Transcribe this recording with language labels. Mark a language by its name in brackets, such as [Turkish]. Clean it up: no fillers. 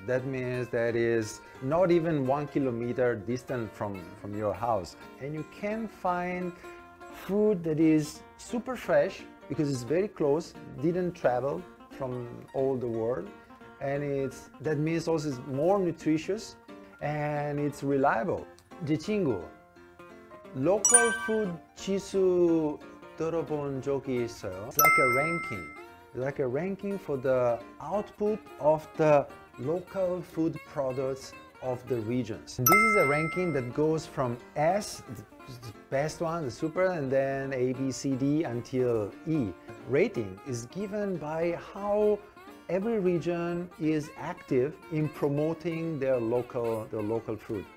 [English] That means that is not even 1 kilometer distant from your house. And you can find food that is super fresh because it's very close, didn't travel from all the world. And it's, that means also it's more nutritious and it's reliable. [Korean] 제 친구, 로컬 푸드 지수 들어본 적이 있어요? [English] It's like a ranking. Like a ranking for the output of the local food products of the regions. And this is a ranking that goes from S, the best one, the super, and then A, B, C, D until E. Rating is given by how every region is active in promoting their local food.